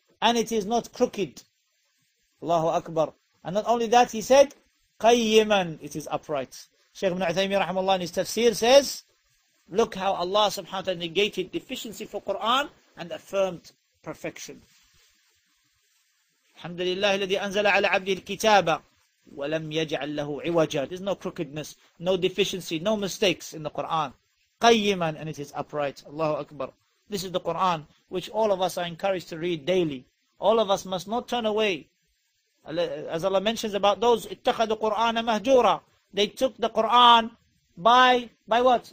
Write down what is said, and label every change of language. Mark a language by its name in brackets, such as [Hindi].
[English] And it is not crooked. Allahu Akbar. And not only that, he said, قَيِّمًا, it is upright. Shaykh ibn Uthaymeen rahimahullah in his tafsir says, look how Allah subhanahu wa ta'ala negated deficiency for Quran and affirmed perfection. [Arabic] Alhamdulillah, الذي أنزل على عبده الكتاب ولم يجعل له عوجا. [English] There's no crookedness, no deficiency, no mistakes in the Quran. قَيِّمًا, and it is upright. Allahu Akbar. This is the Quran, which all of us are encouraged to read daily. All of us must not turn away. As Allah mentions about those, [Arabic] اتَّخَذُ قُرْآنَ مَهْجُورًا, [English] they took the Quran by what?